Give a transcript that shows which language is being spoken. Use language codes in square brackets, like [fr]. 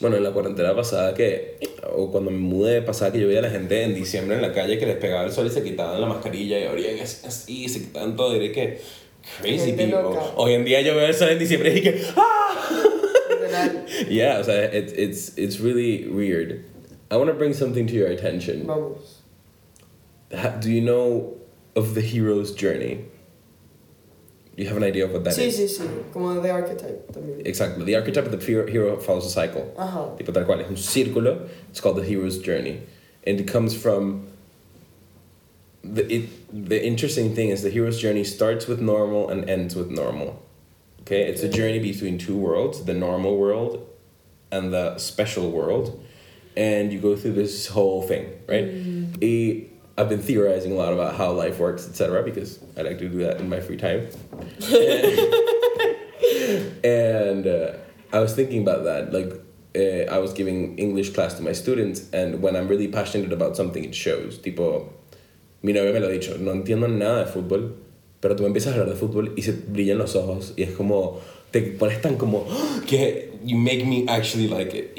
[es] Bueno, en la cuarentena pasada que, o cuando me mudé, pasada que yo veía a la gente en diciembre en la calle que les pegaba el sol y se quitaban la mascarilla y abrían así, y se quitaban todo. Diré que, crazy people. Loca. Hoy en día yo veo el sol en diciembre y que, ¡ah! [en] Yeah, o sea, it's really weird. I want to bring something to your attention. [es] Vamos. [en] Do you know of the hero's journey? You have an idea of what that [es] sí, [en] is? [es] Sí, sí, sí. Como the archetype también. [en] Exactly. The archetype of the hero follows a cycle. Uh-huh. Tipo tal cual. Es un círculo. It's called the hero's journey. And it comes from... The interesting thing is the hero's journey starts with normal and ends with normal. Okay? It's a journey between two worlds. The normal world and the special world. And you go through this whole thing, right? Mm-hmm. I've been theorizing a lot about how life works, etc., because I like to do that in my free time. And I was thinking about that. Like, I was giving English class to my students, and when I'm really passionate about something, it shows. [es] Tipo, mi novia me lo ha dicho, no entiendo nada de fútbol, pero tú empiezas a hablar de fútbol y se brillan los ojos, y es como, te pones tan como, que you make me actually like it.